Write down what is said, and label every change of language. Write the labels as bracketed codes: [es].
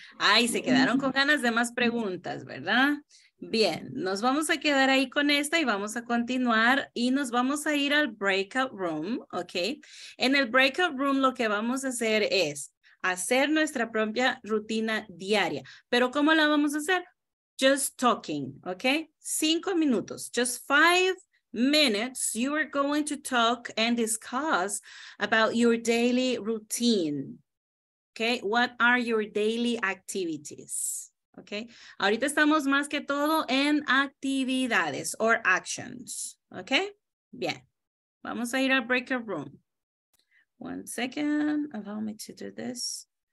[es] Ay, se quedaron con ganas de más preguntas, ¿verdad? Bien, nos vamos a quedar ahí con esta y vamos a continuar y nos vamos a ir al breakout room, ¿ok? En el breakout room lo que vamos a hacer es hacer nuestra propia rutina diaria. ¿Pero cómo la vamos a hacer? [en] Just talking, [es] ¿ok? 5 minutos, [en] just 5 minutes you are going to talk and discuss about your daily routine, ¿ok? What are your daily activities? Okay. [es] Ahorita estamos más que todo en actividades [en] or actions. [es] Okay. Bien. Vamos a ir al breakout room. [en] One second. Allow me to do this.